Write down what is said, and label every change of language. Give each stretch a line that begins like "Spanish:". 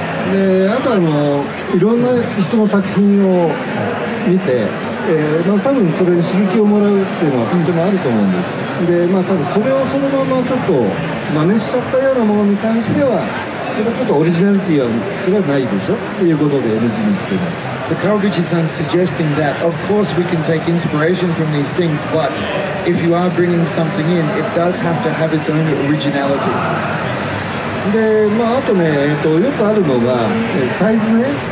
Japanese: で、あとはいろんな人の作品を見て、まあ、多分それに刺激をもらうっていうのは本当にあると思うんです。で、まあ、ただそれをそのままちょっと真似しちゃったようなものに関しては
English: So Kawaguchi-san suggesting that, of course, we can take inspiration from these things, but if you are bringing something in, it does have to have its own originality.
Japanese: で、まあ、あとね、よくあるのが、サイズね。